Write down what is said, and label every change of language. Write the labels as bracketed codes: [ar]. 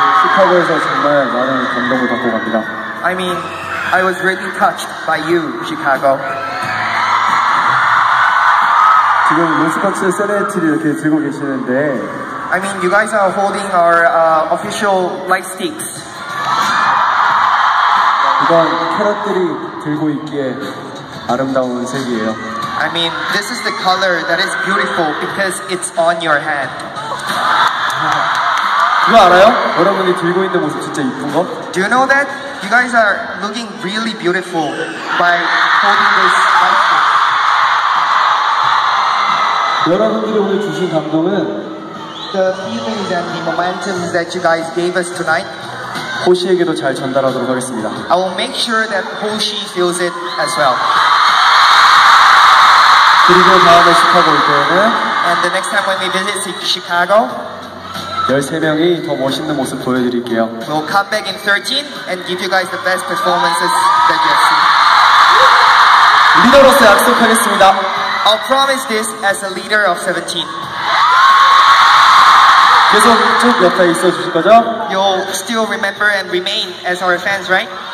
[en] I mean, I was really touched by you, Chicago. [ko] 지금 로스커츠 세레티를 이렇게 들고 계시는데. [en] I mean, you guys are holding our official light sticks. [ko] 이건 캐럿들이 들고 있기에 아름다운 색이에요. [en] I mean, this is the color that is beautiful because it's on your hand. [ko] 그거 알아요? 여러분이 들고 있는 모습 진짜 이쁜 거? [en] Do you know that? You guys are looking really beautiful by holding this light. [ko] 여러분들이 오늘 주신 감동은 [en] The feelings and the momentum that you guys gave us tonight [ko] 호시에게도 잘 전달하도록 하겠습니다. [en] I will make sure that Hoshi feels it as well. [ko] 그리고 다음에 시카고 올 때는 [en] And the next time when we visit Chicago [ko] 13명이 더 멋있는 모습 보여드릴게요. [en] We'll come back in 13 and give you guys the best performances that you have seen. [ko] 리더로서 약속하겠습니다. [en] I'll promise this as a leader of 17. [ko] 계속 쭉 옆에 있어 주실 거죠? [en] You'll still remember and remain as our fans, right?